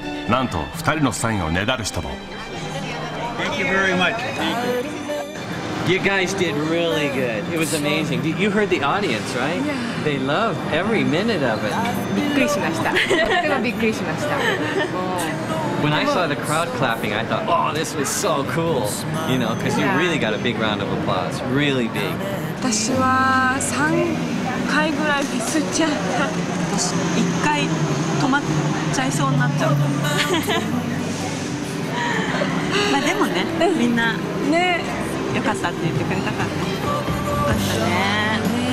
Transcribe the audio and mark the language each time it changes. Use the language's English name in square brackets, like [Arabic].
[Japanese] なんと2人のサインをねだる人も。 [English] Thank you very much. You guys did really good. It was amazing. You heard the audience, right? Yeah. They loved every minute of it. [Japanese] びっくりしました。とてもびっくりしました。 [English] When I saw the crowd clapping, I thought, oh, this was so cool. You know, because you really got a big round of applause. Really big. [Japanese] 私は3回ぐらいミスっちゃった。 1回止まっちゃいそうになっちゃった。まあでもね、みんな。ね。よかったって言ってくれたから、よかったね。